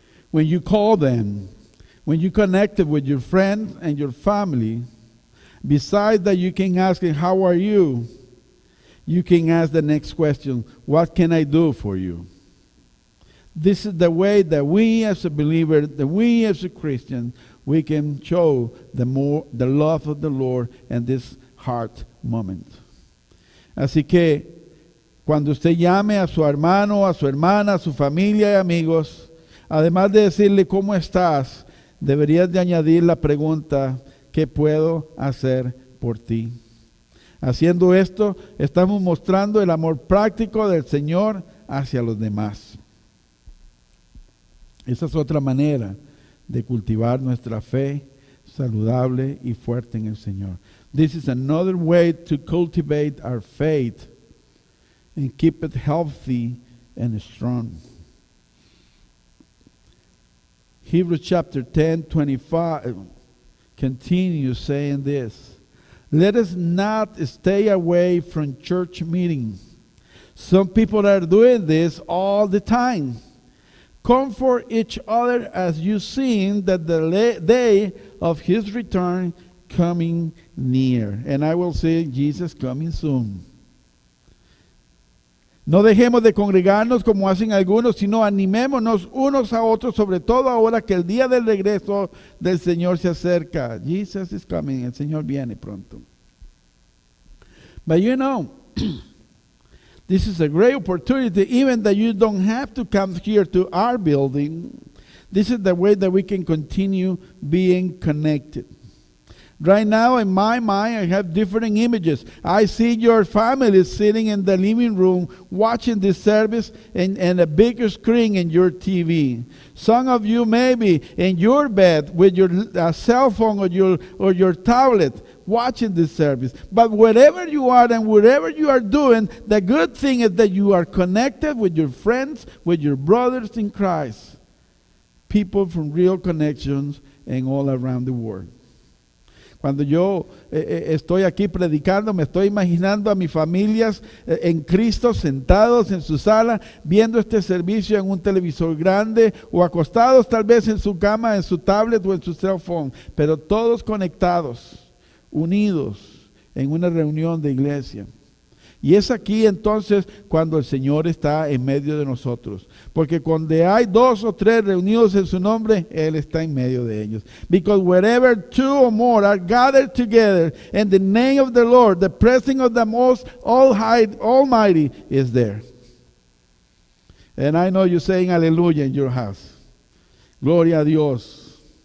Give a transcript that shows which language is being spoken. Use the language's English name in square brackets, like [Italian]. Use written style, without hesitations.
[English] When you call them, when you connected with your friends and your family, besides that you can ask, how are you? You can ask the next question, what can I do for you? This is the way that we as a believer, that we as a Christian, we can show the love of the Lord in this heart moment. [Spanish] Así que, cuando usted llame a su hermano, a su hermana, a su familia y amigos, además de decirle, ¿cómo estás?, deberías de añadir la pregunta, ¿qué puedo hacer por ti? Haciendo esto, estamos mostrando el amor práctico del Señor hacia los demás. Esa es otra manera de cultivar nuestra fe saludable y fuerte en el Señor. [English] This is another way to cultivate our faith and keep it healthy and strong. Hebrews chapter 10, 25 continues saying this. Let us not stay away from church meetings. Some people are doing this all the time. Comfort each other as you see that the day of His return coming near. And I will see Jesus coming soon. [Spanish] No dejemos de congregarnos como hacen algunos, sino animémonos unos a otros, sobre todo ahora que el día del regreso del Señor se acerca. [English] Jesus is coming, [Spanish] el Señor viene pronto. [English] But you know, this is a great opportunity, even that you don't have to come here to our building. This is the way that we can continue being connected. Right now, in my mind, I have different images. I see your family sitting in the living room watching this service and a bigger screen in your TV. Some of you may be in your bed with your cell phone or your tablet watching this service. But wherever you are and wherever you are doing, the good thing is that you are connected with your friends, with your brothers in Christ, people from real connections and all around the world. [Spanish] Cuando yo estoy aquí predicando, me estoy imaginando a mis familias en Cristo, sentados en su sala, viendo este servicio en un televisor grande, o acostados tal vez en su cama, en su tablet o en su cell phone, pero todos conectados, unidos en una reunión de iglesia. Y es aquí entonces cuando el Señor está en medio de nosotros. Porque cuando hay dos o tres reunidos en su nombre, Él está en medio de ellos. [English] Because wherever two or more are gathered together in the name of the Lord, the presence of the Most Almighty is there. And I know you're saying hallelujah in your house. [Spanish] Gloria a Dios.